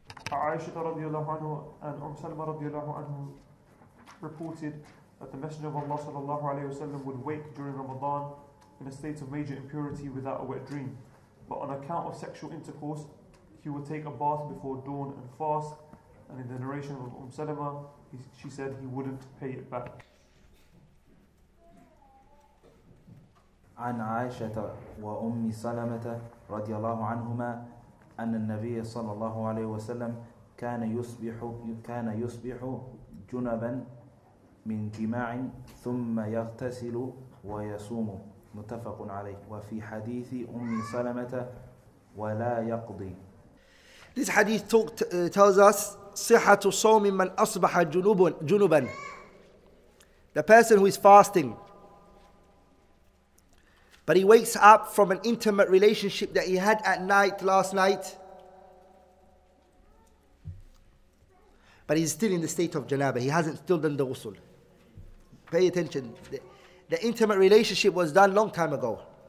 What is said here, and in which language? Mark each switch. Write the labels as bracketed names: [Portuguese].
[English] Aisha radiallahu anhu and Umm Salma radiallahu anhu reported that the Messenger of Allah sallallahu alayhi wasallam would wake during Ramadan in a state of major impurity without a wet dream. But on account of sexual intercourse, he would take a bath before dawn and fast. And in the narration of Umm Salma, she said he wouldn't pay it back. [Arabic] عن عائشة وأم سلمة رضي الله عنهما أن النبي صلى الله عليه وسلم كان يصبح جنبا من جماع ثم يغتسل ويصوم متفق عليه وفي حديث أم سلمة ولا يقضي. [English] This hadith tells us [Arabic] صحة صوم من أصبح جنبا. [English] The person who is fasting, but he wakes up from an intimate relationship that he had at night, last night, but he's still in the state of janabah. He hasn't still done the ghusl. Pay attention. The intimate relationship was done long time ago.